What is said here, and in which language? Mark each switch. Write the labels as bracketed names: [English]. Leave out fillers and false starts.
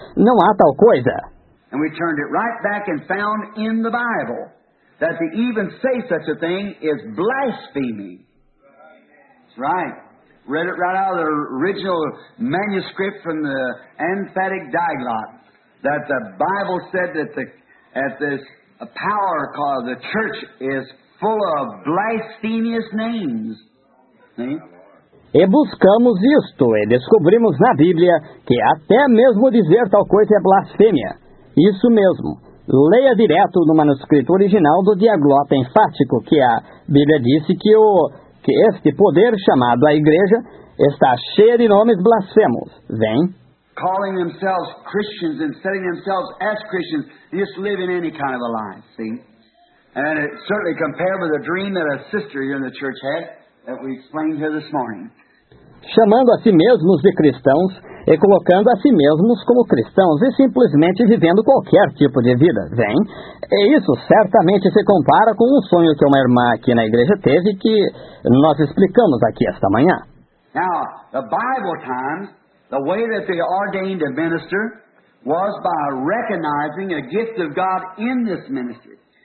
[Portuguese] Não há tal coisa. [English] And we turned it right back and found in the Bible that to even say such a thing is blasphemy. That's right. Read it right out of the original manuscript from the emphatic diglot that the Bible said that this power called the church is full of blasphemous names. See? [Portuguese] E buscamos isto, e descobrimos na Bíblia que até mesmo dizer tal coisa é blasfêmia. Isso mesmo. Leia direto no manuscrito original do Diaglota Enfático, que a Bíblia disse que este poder chamado a igreja está cheio de nomes blasfemos. Vem. [English] Calling themselves Christians and setting themselves as Christians, just living any kind of a lie, see? And it certainly compared with a dream that a sister here in the church had. That we explained here this morning. [Portuguese] Chamando a si mesmos de cristãos e colocando a si mesmos como cristãos e simplesmente vivendo qualquer tipo de vida. Vem. E isso certamente se compara com um sonho que uma irmã aqui na igreja teve que nós explicamos aqui esta manhã. [English] Now, the Bible times, the way that they ordained a minister was by recognizing a gift of God in this ministry.